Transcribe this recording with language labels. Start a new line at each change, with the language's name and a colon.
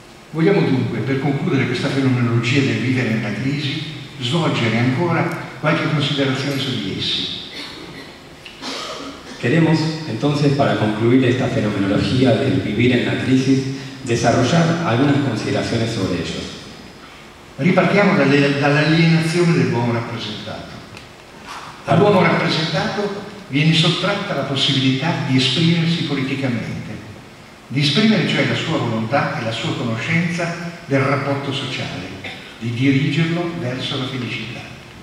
Italian: Vogliamo dunque, per concludere questa fenomenologia del vivere nella crisi, svolgere ancora qualche considerazione su di essi.
Spanish: Queremos, entonces, para concluir esta fenomenología del vivir en la crisis, desarrollar algunas consideraciones sobre ellos.
Italian: Ripartiamo dall'alienazione del buon rappresentato. Al buon rappresentato viene sottratta la possibilità di esprimersi politicamente, di esprimere cioè la sua volontà e la sua conoscenza del rapporto sociale, di dirigerlo verso la felicità.